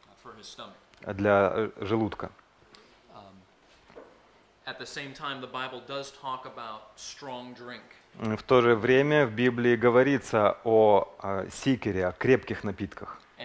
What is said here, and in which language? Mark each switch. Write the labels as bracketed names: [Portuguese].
[English] For his stomach. [Russian] Для желудка. [English] At the same time, the Bible does talk about strong drink. [Russian] В то же время в Библии говорится о сикере, о крепких напитках.